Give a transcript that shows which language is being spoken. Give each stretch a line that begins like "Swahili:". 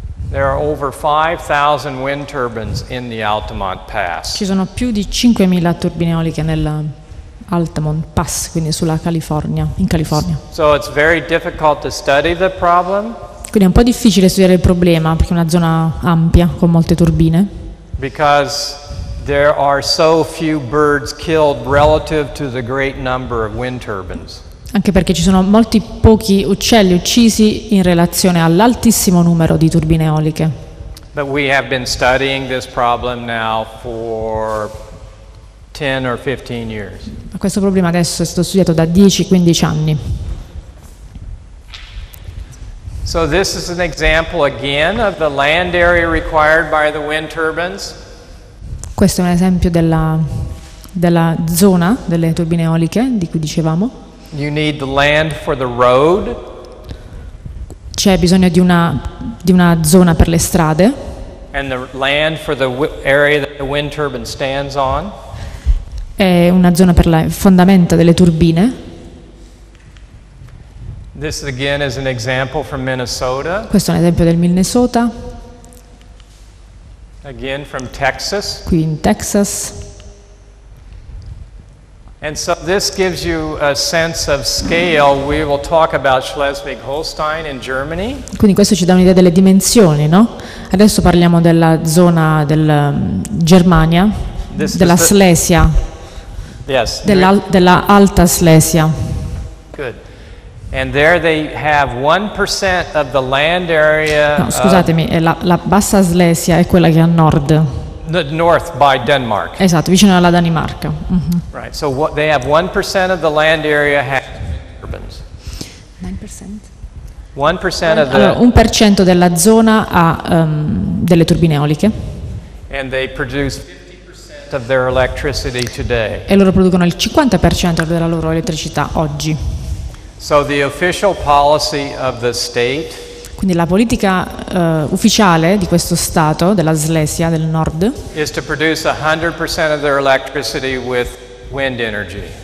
English: There are over 5,000 wind turbines in the Altamont Pass.
Italian: Ci sono più di 5,000 turbine eoliche nella Altamont Pass, quindi sulla California, in California.
English: So it's very difficult to study the problem.
Italian: Quindi è un po' difficile studiare il problema perché è una zona ampia con molte turbine.
English: Because there are so few birds killed relative to the great number of wind turbines.
Italian: Anche perché ci sono molti pochi uccelli uccisi in relazione all'altissimo numero di turbine eoliche.
English: But we have been studying this problem now for 10 or 15 years.
Italian: Ma questo problema adesso è stato studiato da 10-15 anni.
English: So this is an example again of the land area required by the wind turbines.
Italian: Questo è un esempio della zona delle turbine eoliche di cui dicevamo.
English: You need the land for the road.
Italian: C'è bisogno di una zona per le strade.
English: And the land for the area that the wind turbine stands on.
Italian: È una zona per le fondamenta delle turbine.
English: This again is an example from Minnesota.
Italian: Questo è un esempio del Minnesota.
English: Again from Texas.
Italian: Qui in Texas.
English: And so this gives you a sense of scale. We will talk about Schleswig-Holstein in Germany.
Italian: Quindi questo ci dà un'idea delle dimensioni, no? Adesso parliamo della zona del Germania, this della Slesia.
English: Yes.
Italian: Della Alta Slesia.
English: Good. And there they have 1% of the land area.
Italian: No, scusatemi, la Bassa Slesia è quella che è a nord.
English: North by Denmark.
Italian: Esatto, vicino alla Danimarca.
English: Mm-hmm. Right. So what they have 1% of the land area has turbines. 9%. 1% of the.
Italian: Allora, 1% della zona ha delle turbine eoliche.
English: And they produce 50% of their electricity today.
Italian: E loro producono il 50% della loro elettricità oggi.
English: So the official policy of the state.
Italian: Quindi la politica ufficiale di questo stato della Slesia del Nord
English: is to produce 100% of their electricity with wind energy.